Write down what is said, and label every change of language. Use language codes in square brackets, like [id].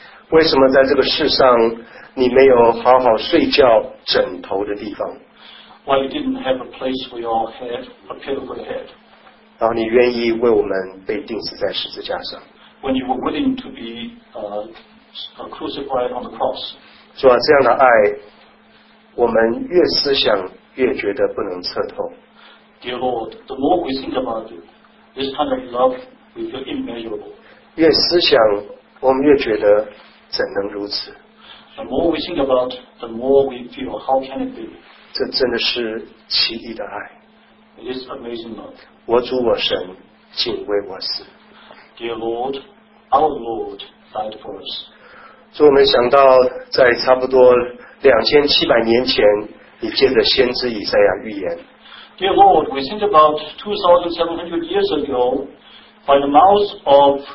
[zh] 为什么在这个世上你没有好好睡觉枕头的地方 [en] ？Why you didn't have a place for your head, a pillow for your head? [zh] 然后你愿意为我们被钉死在十字架上。 [en] When you were willing to be crucified on the cross. [zh] 主啊，这样的爱，我们越思想越觉得不能彻透。 [en] Dear Lord, the more we think about it, this kind of love we feel immeasurable. [zh] 越思想，我们越觉得怎能如此 [en] ？The more we think about, the more we feel how can it be? [zh] 这真的是奇异的爱。 [en] It is amazing love. [zh] 我主我神，竟为我死。 [en] Dear Lord, our Lord died for us. [zh] 所以我们想到，在差不多2700年前，你借着先知以赛亚预言。 [en] Dear Lord, we think about 2,700 years ago by the mouth of